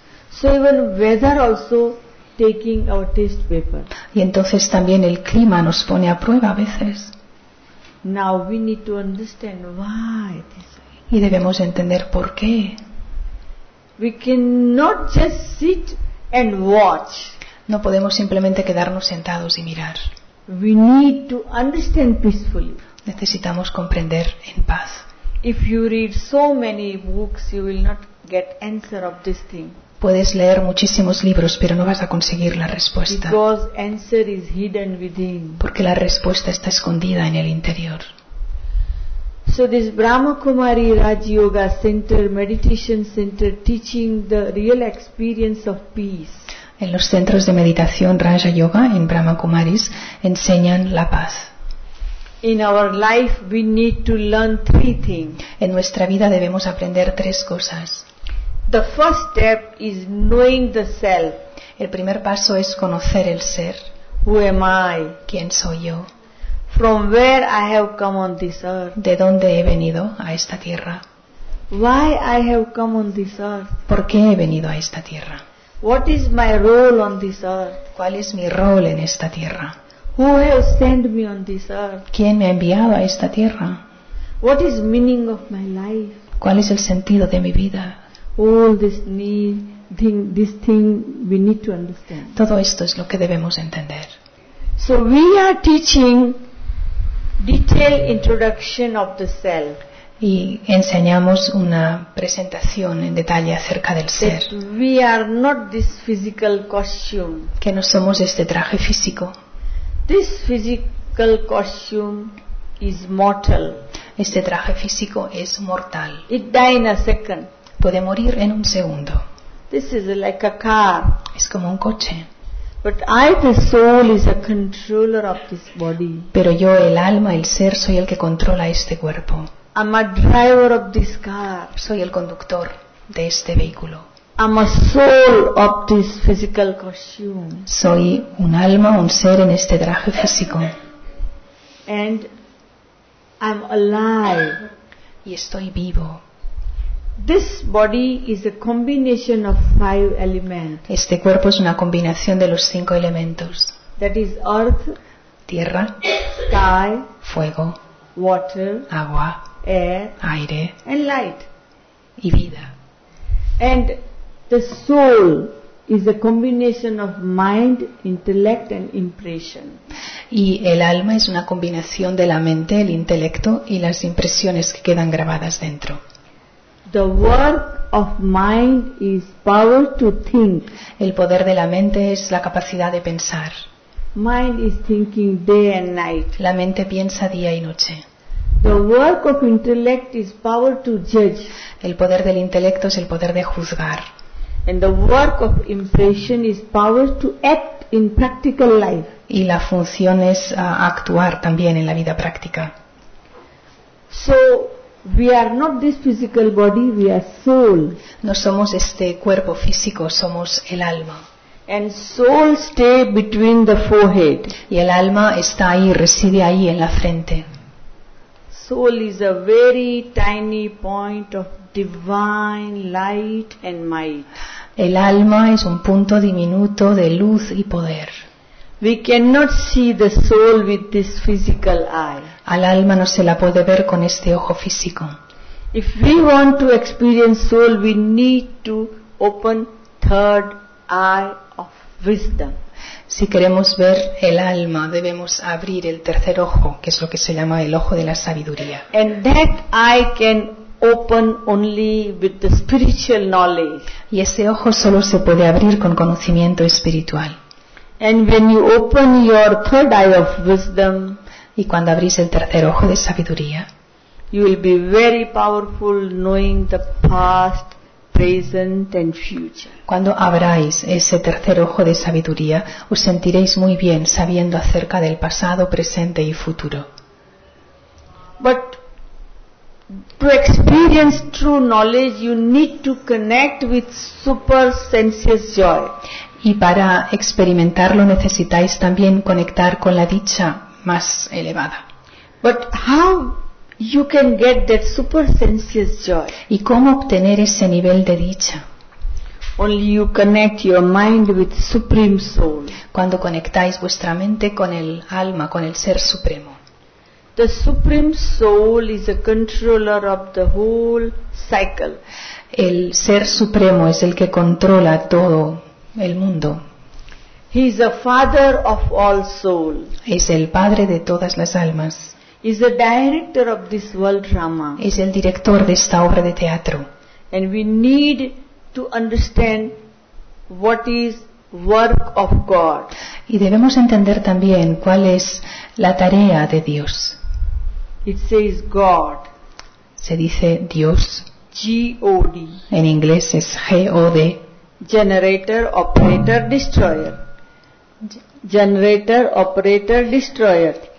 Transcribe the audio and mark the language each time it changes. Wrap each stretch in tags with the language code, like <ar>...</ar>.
<en>So even weather also taking our test paper.</en> <es>Y entonces también el clima nos pone a prueba a veces.</es> <en>Now we need to understand why it is.</en> <es>Y debemos entender por qué.</es> <en>We cannot just sit and watch.</en> <es>No podemos simplemente quedarnos sentados y mirar.</es> <en>We need to understand peacefully.</en> <es>Necesitamos comprender en paz.</es> <en>If you read so many books, you will not get answer of this thing.</en> <es>Puedes leer muchísimos libros, pero no vas a conseguir la respuesta.</es> <en>Because answer is hidden within.</en> <es>Porque la respuesta está escondida en el interior.</es> <en>So this Brahma Kumari Raj Yoga Center, Meditation Center, teaching the real experience of peace.</en> <es>En los centros de meditación Raja Yoga en Brahma Kumaris enseñan la paz.</es> <en>In our life we need to learn three things.</en> <es>En nuestra vida debemos aprender tres cosas.</es> <en>The first step is knowing the self.</en> <es>El primer paso es conocer el ser.</es> <en>Who am I?</en> <es>¿Quién soy yo?</es> <en>From where I have come on this earth?</en> <es>¿De dónde he venido a esta tierra?</es> <en>Why I have come on this earth?</en> <es>¿Por qué he venido a esta tierra?</es> <en>What is my role on this earth?</en> <es>¿Cuál es mi rol en esta tierra?</es> <en>Who has sent me on this earth?</en> <es>¿Quién me ha enviado a esta tierra?</es> <en>What is meaning of my life?</en> <es>¿Cuál es el sentido de mi vida?</es> <en>All this need, this thing we need to understand.</en> <es>Todo esto es lo que debemos entender.</es> <en>So we are teaching detailed introduction of the self.</en> <es>Y enseñamos una presentación en detalle acerca del ser.</es> <en>That we are not this physical costume.</en> <es>Que no somos este traje físico.</es> <en>This physical costume is mortal.</en> <es>Este traje físico es mortal.</es> <en>It die in a second.</en> <es>Puede morir en un segundo.</es> <en>This is like a car.</en> <es>Es como un coche.</es> <en>But I, the soul, is a controller of this body.</en> <es>Pero yo, el alma, el ser, soy el que controla este cuerpo.</es> <en>I'm a driver of this car.</en> <es>Soy el conductor de este vehículo.</es> <en>I'm a soul of this physical costume.</en> <es>Soy un alma, un ser en este traje físico.</es> <en>And I'm alive.</en> <es>Y estoy vivo.</es> <en>This body is a combination of five elements.</en> <es>Este cuerpo es una combinación de los cinco elementos.</es> <en>That is earth,</en> <es>tierra,</es> <en>sky,</en> <es>fuego,</es> <en>water,</en> <es>agua,</es> <en>air,</en> <es>aire,</es> <en>and light,</en> <es>y vida.</es> <en>And the soul, is a combination of mind, intellect and impression.</en> <es>Y el alma es una combinación de la mente, el intelecto y las impresiones que quedan grabadas dentro.</es> <en>The work of mind is power to think.</en> <es>El poder de la mente es la capacidad de pensar.</es> <en>Mind is thinking day and night.</en> <es>La mente piensa día y noche.</es> <en>The work of intellect is power to judge.</en> <es>El poder del intelecto es el poder de juzgar.</es> <en>And the work of impression is power to act in practical life.</en> <es>Y la función es actuar también en la vida práctica.</es> <en>So we are not this physical body, we are soul.</en> <es>No somos este cuerpo físico, somos el alma.</es> <en>And soul stay between the forehead.</en> <es>Y el alma está ahí, reside ahí en la frente.</es> <en>Soul is a very tiny point of divine light and might.</en> <es>El alma es un punto diminuto de luz y poder.</es> <en>We cannot see the soul with this physical eye.</en> <es>Al alma no se la puede ver con este ojo físico.</es> <en>If we want to experience soul, we need to open third eye of wisdom.</en> <es>Si queremos ver el alma, debemos abrir el tercer ojo, que es lo que se llama el ojo de la sabiduría.</es> <en>And that eye can open only with the spiritual knowledge.</en> <es>Y ese ojo solo se puede abrir con conocimiento espiritual.</es> <en>And when you open your third eye of wisdom,</en> <es>y cuando abrís el tercer ojo de sabiduría,</es> <en>you will be very powerful knowing the past, present and future.</en> <es>Cuando abráis ese tercer ojo de sabiduría, os sentiréis muy bien sabiendo acerca del pasado, presente y futuro.</es> <en>But to experience true knowledge, you need to connect with super sensuous joy.</en> <es>Y para experimentarlo necesitáis también conectar con la dicha más elevada.</es> <en>But how you can get that super sensuous joy?</en> <es>¿Y cómo obtener ese nivel de dicha?</es> <en>Only you connect your mind with supreme soul.</en> <es>Cuando conectáis vuestra mente con el alma, con el ser supremo.</es> <en>The supreme soul is a controller of the whole cycle.</en> <es>El ser supremo es el que controla todo el mundo.</es> <en>He is a father of all souls.</en> <es>Es el padre de todas las almas.</es> <en>He is the director of this world drama.</en> <es>Es el director de esta obra de teatro.</es> <en>And we need to understand what is work of God.</en> <es>Y debemos entender también cuál es la tarea de Dios.</es> <en>It says God.</en> <es>Se dice Dios.</es> <en>G-O-D.</en> <es>En inglés es G-O-D.</es> <en>Generator, operator, destroyer. Generator, operator, destroyer.</en>